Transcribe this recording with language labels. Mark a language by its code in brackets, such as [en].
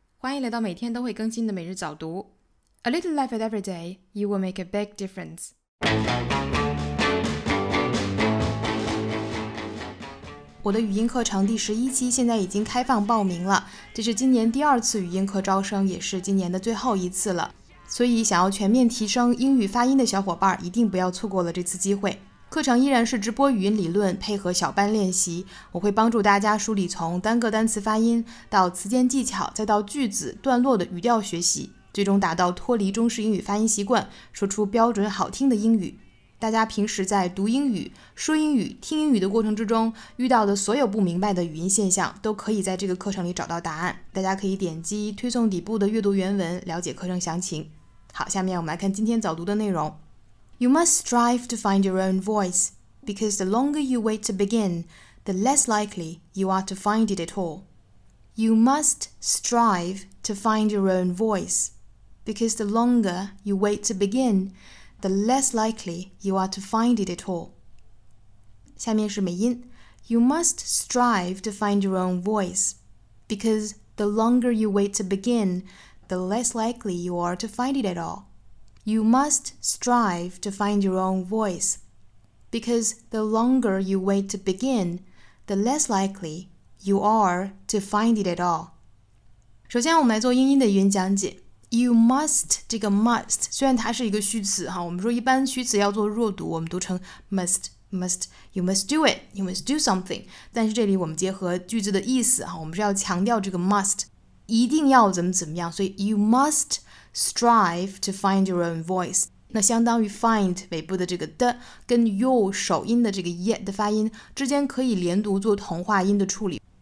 [zh] 欢迎来到每天都会更新的每日早读。 [en] A little life at every day, you will make a big difference. [zh] 我的语音课程第十一期现在已经开放报名了，这是今年第二次语音课招生，也是今年的最后一次了。所以想要全面提升英语发音的小伙伴一定不要错过了这次机会。课程依然是直播语音理论配合小班练习，我会帮助大家梳理从单个单词发音到词间技巧，再到句子段落的语调学习，最终达到脱离中式英语发音习惯，说出标准好听的英语。大家平时在读英语、说英语、听英语的过程之中遇到的所有不明白的语音现象都可以在这个课程里找到答案，大家可以点击推送底部的阅读原文了解课程详情。好，下面我们来看今天早读的内容。 [en] You must strive to find your own voice, because the longer you wait to begin, the less likely you are to find it at all. You must strive to find your own voice, because the longer you wait to begin, the less likely you are to find it at all. [zh] 下面是美音。 [en] You must strive to find your own voice, because the longer you wait to begin, the less likely you are to find it at all. You must strive to find your own voice, because the longer you wait to begin, the less likely you are to find it at all. [zh] 首先我们来做英音的语音讲解。 You must, 这个 must, 虽然它是一个虚词哈，我们说一般虚词要做弱读，我们读成 must, must, [en] you must do it, you must do something. [zh] 但是这里我们结合句子的意思哈，我们是要强调这个 must, 一定要怎么怎么样，所以 [en] you must,Strive to find your own voice. [zh] 那相当于 find 尾部的这个的跟 your 首音的这个 yet 的发音之间可以连读做同化音的处理。